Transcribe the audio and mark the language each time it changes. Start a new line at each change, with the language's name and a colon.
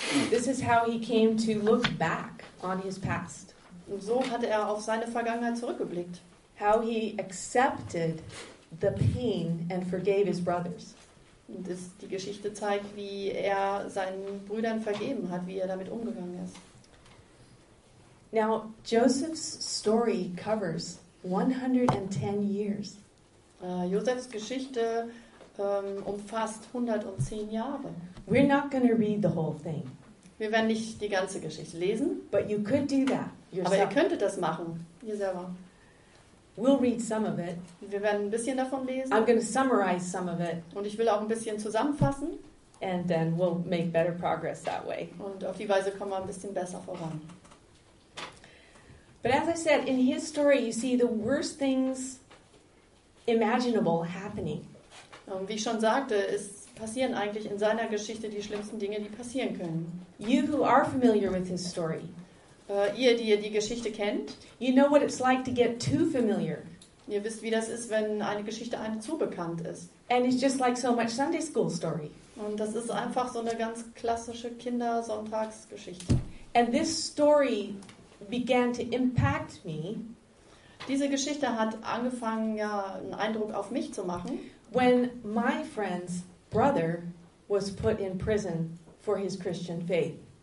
English: This is how he came to look back on his past.
German: Und so hatte er auf seine Vergangenheit zurückgeblickt.
English: How he accepted the pain and forgave his brothers.
German: Und die Geschichte zeigt, wie er seinen Brüdern vergeben hat, wie er damit umgegangen ist.
English: Now, Joseph's story covers 110 years.
German: Josephs Geschichte umfasst 110 Jahre.
English: We're not going to read the whole thing.
German: Wir werden nicht die ganze Geschichte lesen.
English: But you could do that yourself.
German: Aber ihr könntet das machen, ihr selber.
English: We'll read some of it.
German: Wir werden ein bisschen davon lesen.
English: I'm going to summarize some of it.
German: Und ich will auch ein bisschen zusammenfassen.
English: And then we'll make better progress that way.
German: Und auf die Weise kommen wir ein bisschen besser voran.
English: But as I said, in his story, you see the worst things imaginable happening.
German: Wie ich schon sagte, es passieren eigentlich in seiner Geschichte die schlimmsten Dinge, die passieren können.
English: You who are familiar with his story.
German: Ihr, die ihr die Geschichte kennt.
English: You know what it's like to get too familiar.
German: Ihr wisst, wie das ist, wenn eine Geschichte einem zu bekannt ist.
English: And it's just like so much Sunday school story.
German: Und das ist einfach so eine ganz klassische Kindersonntagsgeschichte.
English: And this story began to impact me.
German: Diese Geschichte hat angefangen, ja, einen Eindruck auf mich zu machen.
English: When my friend's brother was put in prison for his Christian faith.